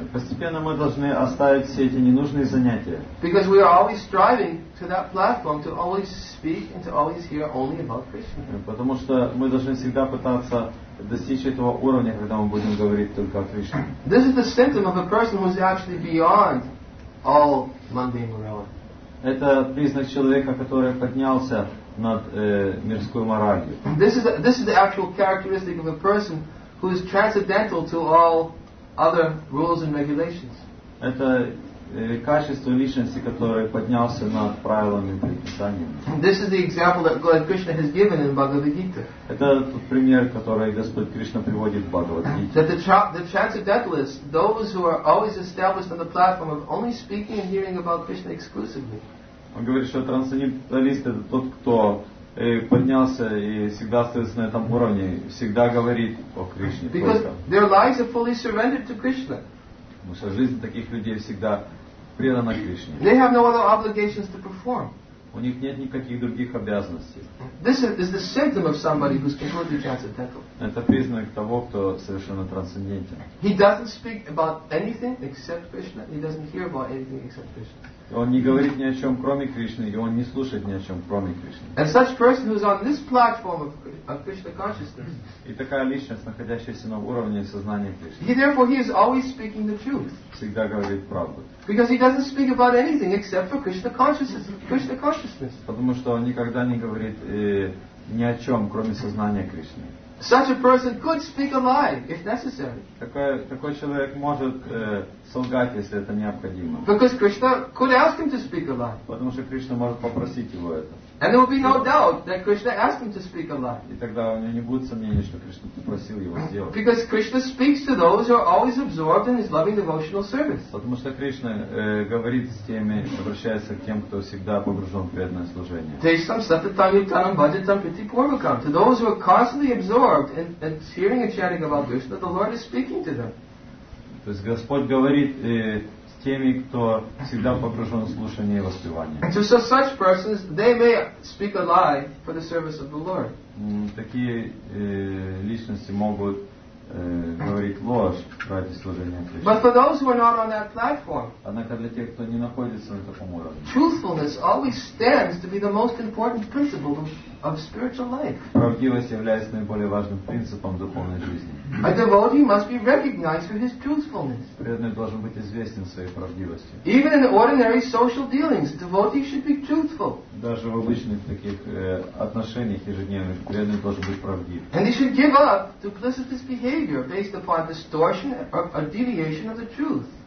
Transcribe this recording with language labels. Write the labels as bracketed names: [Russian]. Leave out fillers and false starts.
[Russian] Постепенно мы должны оставить все эти ненужные занятия. [English] Because we are always striving to that platform to always speak and to always hear only about Krishna. [Russian] Потому что мы должны всегда пытаться достичь этого уровня, когда мы будем говорить только о Кришне. [English] This is the symptom of a person who is actually beyond all mundane morality. [Russian] Это признак человека, который поднялся над мирской моралью. [English] This is the actual characteristic of a person who is transcendental to all other rules and regulations. [Russian] Это качество личности, которое поднялся над правилами предписания. [English] This is the example that Lord Krishna has given in Bhagavad Gita. [Russian] Это тот пример, который Господь Кришна приводит в Бхагавад Гите. [English] That the transcendentalists, those who are always established on the platform of only speaking and hearing about Krishna exclusively. [Russian] Он говорит, что трансценденталист — это тот, кто поднялся и всегда остается на этом уровне, всегда говорит о Кришне. [English] Because their lives are fully surrendered to Krishna. [Russian] Потому что жизнь таких людей всегда предана Кришне. [English] They have no other obligations to perform. [Russian] У них нет никаких других обязанностей. [English] This is the symptom of somebody who's completely transcendental. [Russian] Это признак того, кто совершенно трансцендентен. [English] He doesn't speak about anything except Krishna. He doesn't hear about anything except Krishna. [Russian] Он не говорит ни о чем, кроме Кришны, и он не слушает ни о чем, кроме Кришны. [English] And such person who's on this platform of Krishna consciousness. [Russian] И такая личность, находящаяся на уровне сознания Кришны. [English] He therefore he is always speaking the truth. [Russian] Всегда говорит правду. [English] Because he doesn't speak about anything except for Krishna consciousness. [Russian] Потому что он никогда не говорит ни о чем, кроме сознания Кришны. [English] Such a person could speak a lie if necessary. [Russian] Такой человек может солгать, если это необходимо. [English] Because Krishna could ask him to speak a lie. [Russian] Потому что Кришна может попросить его это. [English] And there will be no doubt that Krishna asked him to speak a lie. [Russian] И тогда у него не будет сомнений, что Кришна попросил его сделать. [English] Because Krishna speaks to those who are always absorbed in his loving devotional service. [Russian] Потому что Кришна говорит с теми, обращается к тем, кто всегда погружен в преданное служение. [Sanskrit] Tesham satatam yutanam bhajatam priti purvakam. [English] To those who are constantly absorbed in hearing and chanting about Krishna, the Lord is speaking to them. [Russian] То есть Господь говорит с теми, кто всегда погружен в слушание и воспевание. [English] And so such persons, they may speak a lie for the service of the Lord. [Russian] Такие личности могут говорить ложь ради служения Кришне. [English] But for those who are not on that platform, [Russian] однако для тех, кто не находится на таком уровне, [English] truthfulness always stands to be the most important principle of spiritual life. [Russian] Правдивость является наиболее важным принципом духовной жизни. [English] A devotee must be recognized for his truthfulness. [Russian] Преданный должен быть известен своей правдивостью. [English] Even in ordinary social dealings, devotee should be truthful. [Russian] Даже в обычных таких отношениях ежедневных преданный должен быть правдив. [English] And he should give up duplicitous behavior based upon distortion or deviation of the truth.